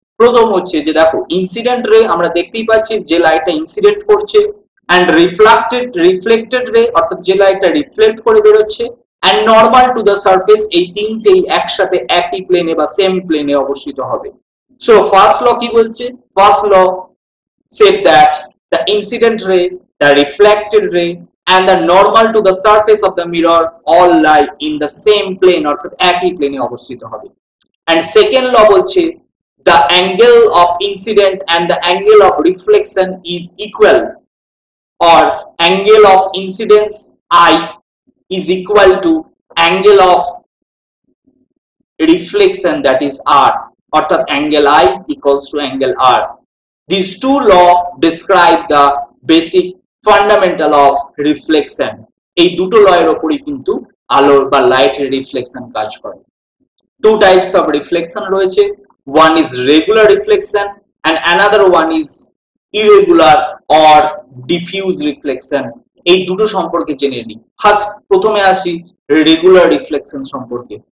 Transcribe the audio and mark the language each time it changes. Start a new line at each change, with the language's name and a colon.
Bangla: প্রথম হচ্ছে যে দেখো ইনসিডেন্ট রে আমরা দেখতেই পাচ্ছি যে লাইটটা ইনসিডেন্ট করছে, অ্যান্ড রিফ্লেক্টেড রিফ্লেক্টেড রে অর্থাৎ যে লাইটটা রিফ্লেক্ট করে বেরোচ্ছে, and normal to the surface, এই তিনটেই একসাথে একই প্লেনে বা সেম প্লেনে অবস্থিত হবে। সো ফার্স্ট ল কি বলছে?
English: first law said that the incident ray, the reflected ray and the normal to the surface of the mirror all lie in the same plane or
Bangla: একই প্লেনে অবস্থিত হবে।
English: And second law
Bangla: বলছে
English: the angle of incident and the angle of reflection is equal or angle of incidence I is equal to angle of reflection that is R or the angle I equals to angle R. These two law describe the basic fundamental of reflection.
Bangla: এই দুটো লয়ের উপরই কিন্তু আলোর বা লাইটের reflection কাজ করে।
English: Two types of reflection রয়েছে, one is regular reflection and another one is irregular or diffuse reflection.
Bangla: এই দুটো সম্পর্কে জেনে নিই। ফার্স্ট প্রথমে আসি রেগুলার রিফ্লেকশন সম্পর্কে।